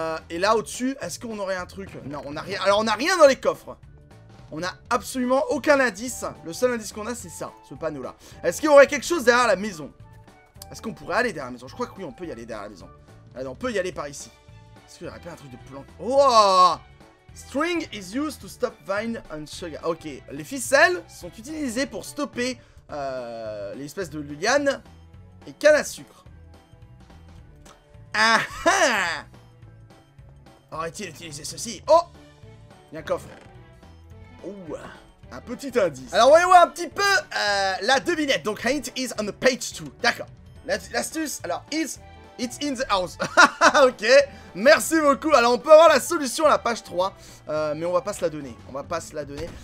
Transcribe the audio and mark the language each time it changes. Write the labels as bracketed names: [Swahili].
[French] Et là, au-dessus, est-ce qu'on aurait un truc? Non, on n'a rien, alors on n'a rien dans les coffres. On n'a absolument aucun indice. Le seul indice qu'on a, c'est ça, ce panneau-là. Est-ce qu'il y aurait quelque chose derrière la maison? Est-ce qu'on pourrait aller derrière la maison? Je crois que oui, on peut y aller derrière la maison. Alors, on peut y aller par ici. Est-ce qu'il n'y aurait pas un truc de plan? Oh! [English] String is used to stop vine and sugar. [French] Ok, les ficelles sont utilisées pour stopper l'espèce de liane et canne à sucre. Ah ah! Aurait-il utilisé ceci? Oh! Il y a un coffre. Ouh, un petit indice. Alors, voyons voir un petit peu la devinette. Donc, [English] hint is on the page 2. [French] D'accord. L'astuce, alors, [English] it's in the house. [French] Ok, merci beaucoup. Alors, on peut avoir la solution à la page 3, mais on va pas se la donner. On va pas se la donner.